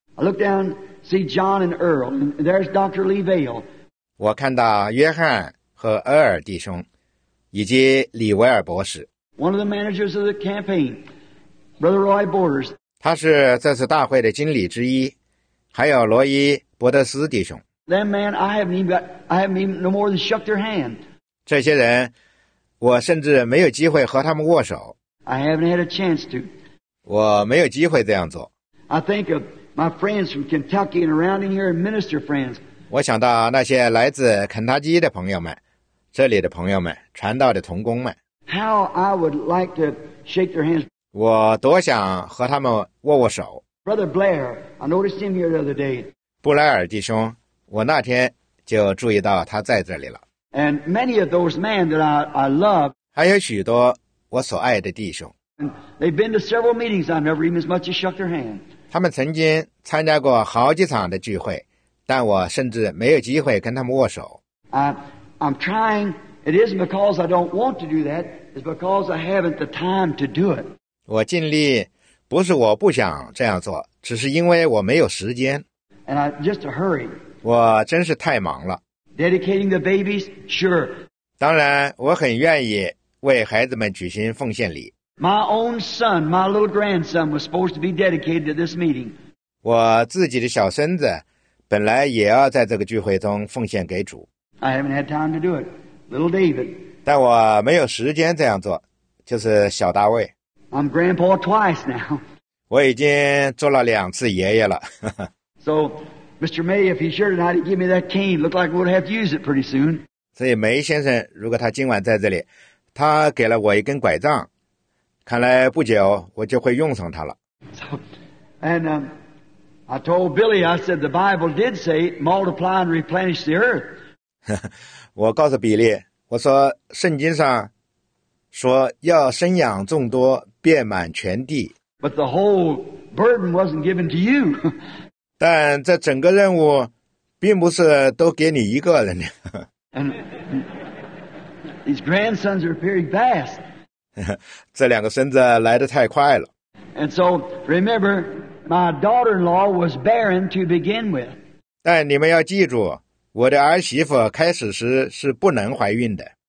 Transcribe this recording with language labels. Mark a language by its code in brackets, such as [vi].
[en] I look down, see John and Earl, and there's Dr. Lee Vale. [zh] 我看到约翰和厄尔弟兄，以及李维尔博士。 [en] One of the managers of the campaign, Brother Roy Borders. [zh] 他是这次大会的经理之一，还有罗伊。伯德斯弟兄 [en] ，That man, I haven't even no more than shook their hand. [zh] 这些人，我甚至没有机会和他们握手。 [en] I haven't had a chance to. [zh] 我没有机会这样做。 [en] I think of my friends from Kentucky and around in here, and minister friends. [zh] 我想到那些来自肯塔基的朋友们，这里的朋友们，传道的同工们。 [en] How I would like to shake their hands. [zh] 我多想和他们握握手。 [en] Brother Blair, I noticed him here the other day. [zh] 布莱尔弟兄，我那天就注意到他在这里了。 [en] And many of those men that I love. [zh] 还有许多我所爱的弟兄。 [en] And they've been to several meetings. I've never even as much as shook their hand. [zh] 他们曾经参加过好几场的聚会。但我甚至没有机会跟他们握手。 [en] I'm trying. It isn't because I don't want to do that. It's because I haven't the time to do it. [zh] 我尽力，不是我不想这样做，只是因为我没有时间。 [en] And I just a hurry. [zh] 我真是太忙了。 [en] Dedicating the babies, sure. [zh] 当然，我很愿意为孩子们举行奉献礼。 [en] My own son, my little grandson, was supposed to be dedicated to this meeting. [zh] 我自己的小孙子。本来也要在这个聚会中奉献给主。 [en] I haven't had time to do it, little David. [zh] 但我没有时间这样做，就是小大卫。 [en] I'm grandpa twice now. [zh] 我已经做了两次爷爷了。 [en] So, Mr. May, if he's here tonight, he'd give me that cane. Looked like we'd have to use it pretty soon. [zh] 所以梅先生，如果他今晚在这里，他给了我一根拐杖，看来不久我就会用上它了。 [en] So, and, I told Billy, I said, the Bible did say, multiply and replenish the earth. [zh] 我告诉比利，我说圣经上说要生养众多，遍满全地。 [en] But the whole burden wasn't given to you. [zh] 但这整个任务并不是都给你一个人。 [en] And his grandsons are appearing fast. [zh] 这两个孙子来得太快了。 [en] And so, remember,My daughter-in-law was barren to begin with. [zh] 但你们要记住，我的儿媳妇开始时是不能怀孕的。